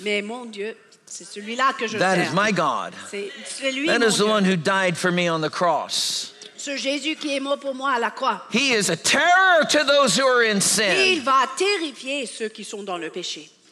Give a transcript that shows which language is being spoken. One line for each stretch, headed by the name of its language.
French: Mais mon Dieu, c'est celui-là que je serve.
English: That is my God. That is the one who died for me on the cross.
French: Ce Jésus qui est mort pour moi à la croix.
English: He is a terror to those who are in sin.
French: Il va terrifier ceux qui sont dans le péché.